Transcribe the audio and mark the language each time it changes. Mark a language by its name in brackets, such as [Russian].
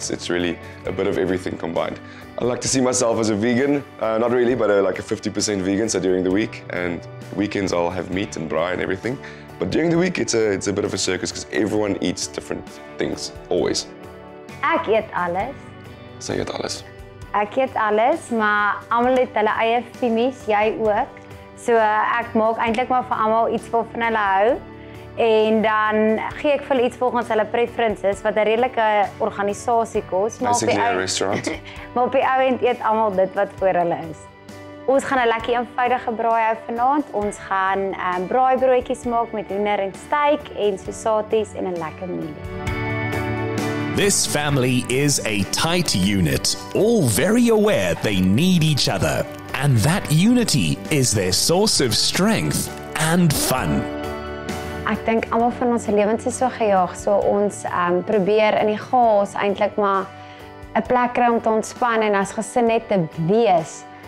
[English] It's really a bit of everything combined. I like to see myself as a vegan, not really, but like a 50% vegan, so during the week, and weekends I'll have meat and braai and everything. But during the week, it's a bit of a circus because everyone eats different things, always. [Afrikaans] Ek eet alles. Sy eet alles. Ek eet alles, maar almal het hulle eie finies, jy ook. So ek maak eintlik maar vir almal iets wat van hulle hou. En dan gee ek vir hulle iets volgens hulle preferences, wat 'n redelike organisasie kos. [English] Basically a restaurant. [Afrikaans] Maar op die ou end eet almal dit wat voor hulle is. Ons gaan 'n lekker eenvoudige braai hou vanaand. Ons gaan braaibroodjies maak met hoender en steak en sosaties en 'n lekker meal. [English] This family is a tight unit, all very aware they need each other. And that unity is their source of strength and fun. [Afrikaans] Ek dink almal van ons lewens is so gejaag, so ons probeer in die chaos eintlik maar 'n plek kry om te ontspan en as gesin net te wees.